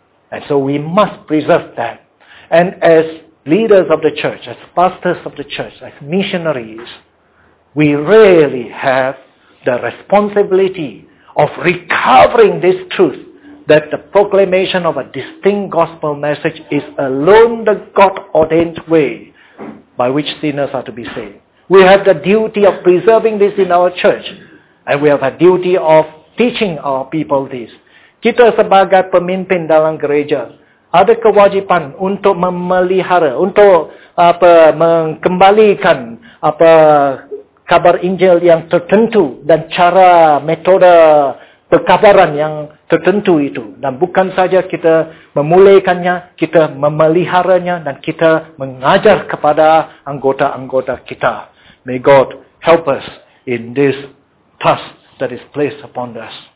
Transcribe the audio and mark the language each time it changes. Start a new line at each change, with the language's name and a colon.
English: And so we must preserve that. And as leaders of the church, as pastors of the church, as missionaries, we really have the responsibility of recovering this truth that the proclamation of a distinct gospel message is alone the God-ordained way by which sinners are to be saved. We have the duty of preserving this in our church, and we have a duty of teaching our people this.
Malay: Kita sebagai pemimpin dalam gereja, ada kewajipan untuk memelihara, untuk mengembalikan kabar Injil yang tertentu dan cara metoda pekabaran yang tertentu itu. Dan bukan saja kita memulaikannya, kita memeliharanya dan kita mengajar kepada anggota-anggota kita.
English: May God help us in this task that is placed upon us.